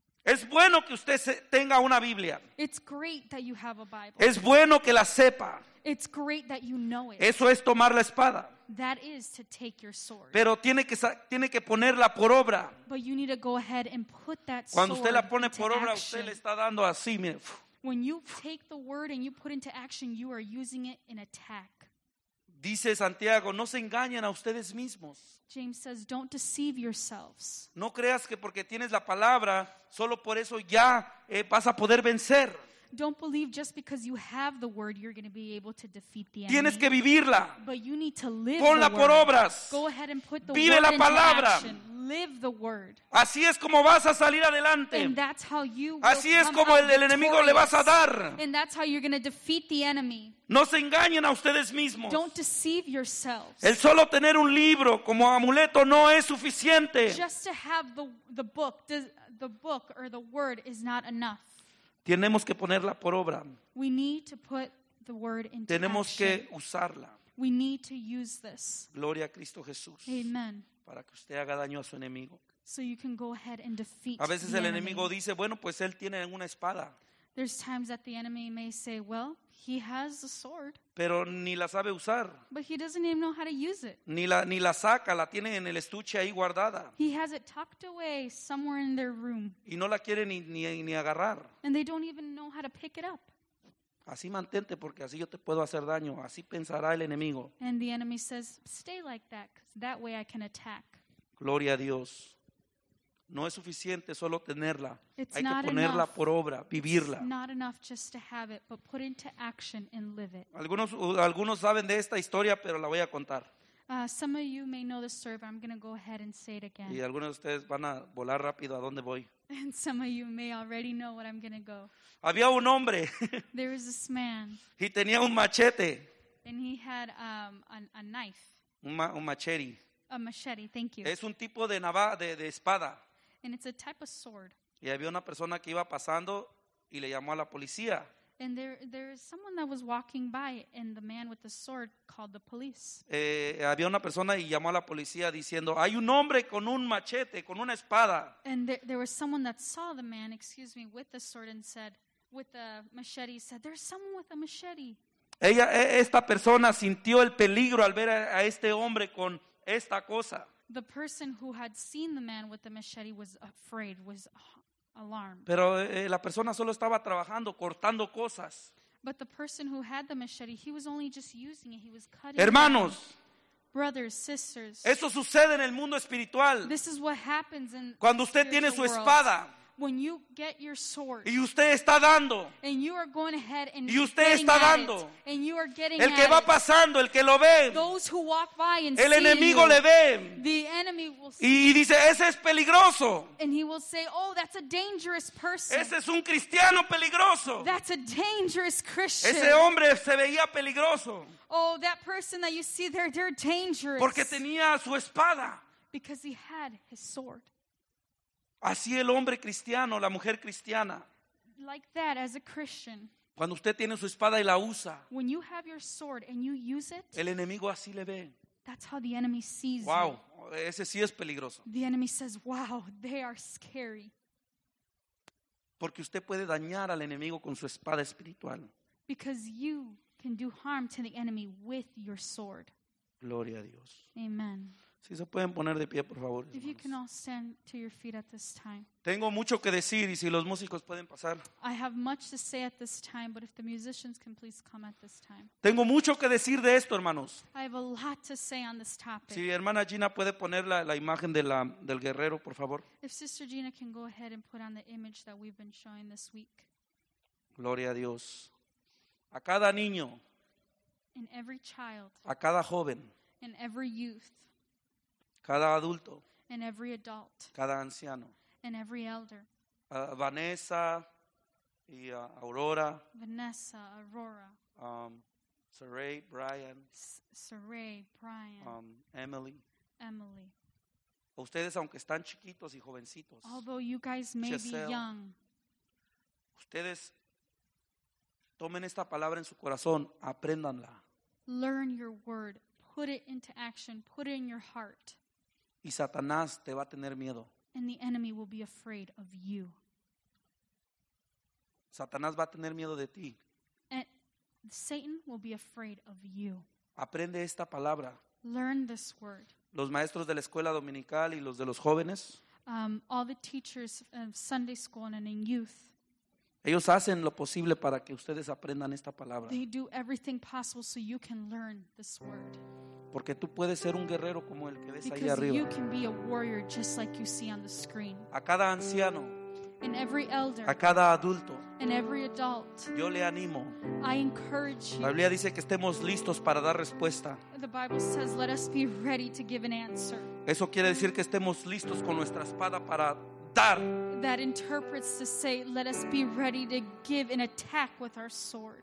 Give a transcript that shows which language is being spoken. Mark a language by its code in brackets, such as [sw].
[es] Es bueno que usted tenga una Biblia. [en] It's great that you have a Bible. [es] Es bueno que la sepa. [en] It's great that you know it. [es] Eso es tomar la espada. [en] That is to take your sword. [es] Pero tiene que ponerla por obra. [en] But you need to go ahead and put that sword. [es] Cuando usted la pone por obra, usted le está dando así, mire. [en] When you take the word and you put into action, you are using it in attack. [es] Dice Santiago, no se engañen a ustedes mismos. [en] James says, don't deceive yourselves. [es] No creas que porque tienes la palabra, solo por eso ya vas a poder vencer. [en] Don't believe just because you have the word you're going to be able to defeat the enemy. [es] Tienes que vivirla. [en] But you need to live [es] Ponla [en] the word. [es] Por obras. [en] Go ahead and put the [es] Vive [en] word [es] la palabra. [en] Into action. Live the word. [es] Así es como vas a salir adelante. [en] And that's how you will [es] Así es como el enemigo le vas a dar. [en] And that's how you're going to defeat the enemy. [es] No se engañen a ustedes mismos. [en] Don't deceive yourselves. [es] El solo tener un libro como amuleto no es suficiente. [en] Just to have the book or the word is not enough. [es] Tenemos que ponerla por obra. [en] We need to put the word into [es] Tenemos [en] action. [es] Que usarla. [en] We need to use this. [es] Gloria a Cristo Jesús. [en] Amen. [es] Para que usted haga daño a su enemigo. [en] So you can go ahead and defeat [es] A veces [en] the [es] el [en] enemy. [es] Enemigo dice, bueno, pues él tiene una espada. [en] There's times that the enemy may say, well, he has a sword. [es] Pero ni la sabe usar. [en] But he doesn't even know how to use it. [es] Ni la saca, la tiene en el estuche ahí guardada. [en] He has it tucked away somewhere in their room. [es] Y no la quiere ni agarrar. [en] And they don't even know how to pick it up. [es] Así mantente porque así yo te puedo hacer daño. Así pensará el enemigo. [en] And the enemy says, stay like that, because that way I can attack. [es] Gloria a Dios. No es suficiente solo tenerla. [en] It's [es] Hay que ponerla [en] enough. [es] Por obra, vivirla. [en] It's not enough just to have it, but put into action and live it. [es] Algunos saben de esta historia, pero la voy a contar. [en] Some of you may know the story, but I'm going to go ahead and say it again. [es] Y algunos de ustedes van a volar rápido a dónde voy. [en] And some of you may already know what I'm going to go. [es] Había un hombre. [en] There was this man. [es] Y tenía un machete. [en] And he had a knife. [es] Un machete. [en] A machete, thank you. [es] Es un tipo de de espada. [en] And it's a type of sword. [es] Y había una persona que iba pasando y le llamó a la policía. [en] And there is someone that was walking by, and the man with the sword called the police. [es] Había una persona y llamó a la policía diciendo, hay un hombre con un machete, con una espada. [en] And there was someone that saw the man, excuse me, with the sword and said, with the machete, said, there's someone with a machete. [es] Esta persona sintió el peligro al ver a este hombre con esta cosa. [en] The person who had seen the man with the machete was afraid, was alarmed. [es] Pero la persona solo estaba trabajando, cortando cosas. [en] But the person who had the machete, he was only just using it, he was cutting. [es] Hermanos. [en] Brothers, sisters. [es] Eso sucede en el mundo espiritual. [en] This is what happens in [es] Cuando usted tiene su espada. [en] When you get your sword. [es] Y usted está dando. [en] And you are going ahead and [es] Y usted está dando. [en] And you are getting [es] El que va pasando, el que lo ve. [en] Those who walk by and see [es] El enemigo le ve. [en] The enemy will see. [es] Y dice, ese es peligroso. [en] And he will say, oh, that's a dangerous person. [es] Ese es un cristiano peligroso. [en] That's a dangerous Christian. [es] Ese hombre se veía peligroso. [en] Oh, that person that you see there, they're dangerous. [es] Porque tenía su espada. [en] Because he had his sword. [es] Así el hombre cristiano, la mujer cristiana. [en] Like that, as a Christian. [es] Cuando usted tiene su espada y la usa, [en] when you have your sword and you use it, [es] el enemigo así le ve. [en] That's how the enemy sees you. [es] Wow, ese sí es peligroso. [en] The enemy says, wow, they are scary. [es] Porque usted puede dañar al enemigo con su espada espiritual. [en] Because you can do harm to the enemy with your sword. [es] Gloria a Dios. [en] Amen. [es] Si se pueden poner de pie, por favor. [en] If you can all stand to your feet at this time. [es] Tengo mucho que decir, y si los músicos pueden pasar. [en] I have much to say at this time, but if the musicians can please come at this time. [es] Tengo mucho que decir de esto, hermanos. [en] I have a lot to say on this topic. [es] Si hermana Gina puede poner la imagen de del guerrero, por favor. [en] If Sister Gina can go ahead and put on the image that we've been showing this week. [es] Gloria a Dios. A cada niño. [en] In every child. [es] A cada joven. [en] In every youth. [es] Cada adulto. [en] And every adult. [es] Cada anciano. [en] And every elder. [es] Vanessa y Aurora. Vanessa, Aurora. Saray, Brian. Saray, Brian. Emily. Emily. Ustedes, aunque están chiquitos y jovencitos. [en] Although you guys may Giselle, be young. [es] Ustedes tomen esta palabra en su corazón. Apréndanla. [en] Learn your word. Put it into action. Put it in your heart. [es] Y Satanás te va a tener miedo. [en] And the enemy will be afraid of you. [es] Satanás va a tener miedo de ti. [en] And Satan will be afraid of you. [es] Aprende esta palabra. [en] Learn this word. [es] Los maestros de la escuela dominical y los de los jóvenes. [en] All the teachers of Sunday school and in youth. [es] Ellos hacen lo posible para que ustedes aprendan esta palabra. [en] They do everything possible so you can learn this word. [es] Porque tú puedes ser un guerrero como el que ves [en] because [es] ahí arriba. [en] You can be a warrior just like you see on the screen. [es] A cada anciano. [en] And every elder. [es] A cada adulto. [en] And every adult. [es] Yo le animo. [en] I encourage you. [es] La Biblia dice que estemos listos para dar respuesta. [en] The Bible says let us be ready to give an answer. [es] Eso quiere decir que estemos listos con nuestra espada para dar. [en] That interprets to say let us be ready to give an attack with our sword.